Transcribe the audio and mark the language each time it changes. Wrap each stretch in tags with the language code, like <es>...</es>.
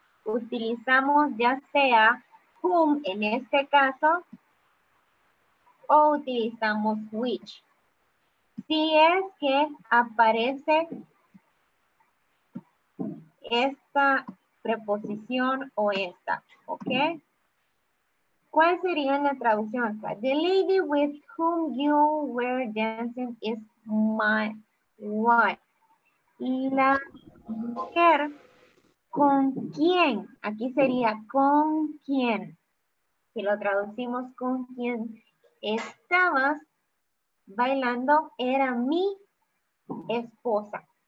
<es>Utilizamos ya sea whom en este caso, o utilizamos which. Si es que aparece esta preposición o esta, ¿ok? ¿Cuál sería la traducción?</es> <en>The lady with whom you were dancing is my wife.</en> <es>La mujer con quién, aquí sería con quién, si lo traducimos con quién estabas bailando, era mi esposa.</es>